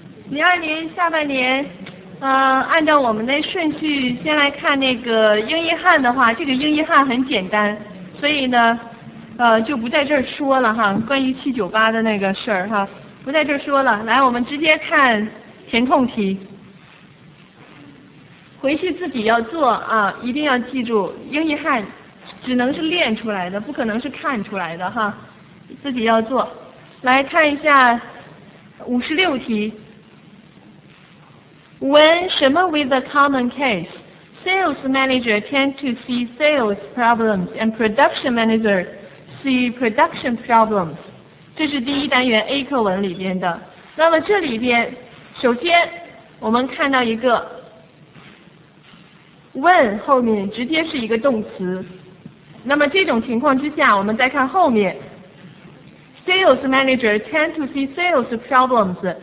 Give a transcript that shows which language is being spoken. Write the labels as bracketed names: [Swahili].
[Chinese] 02年下半年，按照我们的顺序先来看那个英译汉的话，这个英译汉很简单，所以呢，就不在这儿说了哈，关于798的那个事儿哈，不在这儿说了，来，我们直接看填空题，回去自己要做啊，一定要记住，英译汉只能是练出来的，不可能是看出来的哈，自己要做，来看一下56题。 [English] When [Chinese] 什么 [English] with a common case, sales manager tend to see sales problems and production manager see production problems。 [Chinese] 这是第一单元 A 课文里边的。那么这里边，首先我们看到一个 when 后面直接是一个动词。那么这种情况之下，我们再看后面 [English] sales manager tend to see sales problems。